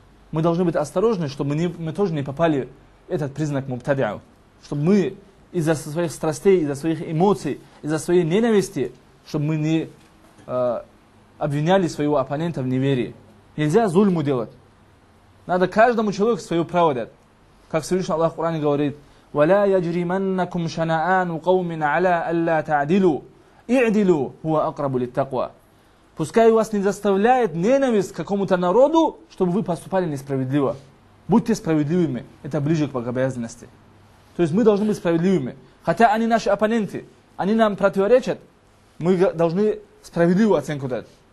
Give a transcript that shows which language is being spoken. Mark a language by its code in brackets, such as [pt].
[ru] Мы должны быть осторожны, чтобы мы тоже не попали в этот признак мубтадиу. Чтобы мы из-за своих страстей, из-за своих эмоций, из-за своей ненависти, чтобы мы не обвиняли своего оппонента в неверии. Нельзя зульму делать. Надо каждому человеку свое право дать. Как Всевышний Аллах в Коране говорит, [ar] وَلَا يَجْرِمَنَّكُمْ شَنَآنُ قَوْمٍ عَلَىٰ أَلَّا تَعْدِلُوا اِعْدِلُوا هُوَ أَقْرَبُ لِلتَّقْوَىٰ. [ru] Пускай вас не заставляет ненависть к какому-то народу, чтобы вы поступали несправедливо. Будьте справедливыми, это ближе к богобоязненности. То есть мы должны быть справедливыми. Хотя они наши оппоненты, они нам противоречат, мы должны справедливую оценку дать.